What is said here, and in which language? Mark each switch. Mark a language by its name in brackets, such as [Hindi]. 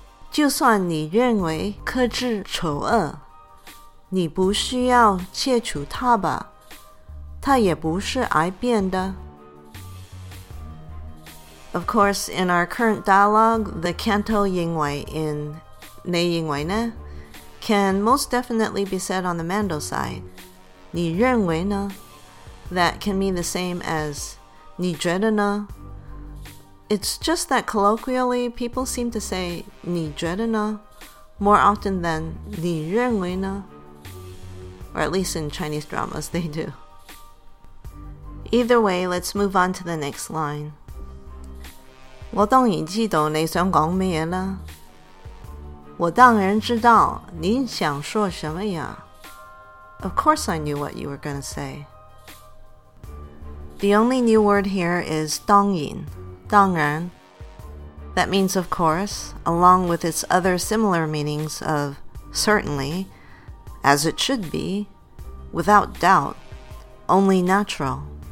[Chinese] 就算你认为克制丑恶，你不需要切除它吧，它也不是癌变的。 [English] Of course, in our current dialogue, the Canto 认为 in [Chinese] 你认为呢 [English] can most definitely be said on the Mando side. [Chinese] 你认为呢 [English] that can mean the same as [Chinese] 你觉得呢。 [English] It's just that colloquially, people seem to say [Chinese] 你觉得呢? [English] More often than [Chinese] 你认为呢? [English] Or at least in Chinese dramas, they do. Either way, let's move on to the next line. [Chinese] 我当然知道你想讲什么了。我当然知道你想说什么呀。 [English] Of course I knew what you were going to say. The only new word here is 当然。 [Chinese] 当然 [English] That means of course, along with its other similar meanings of certainly, as it should be, without doubt, only natural.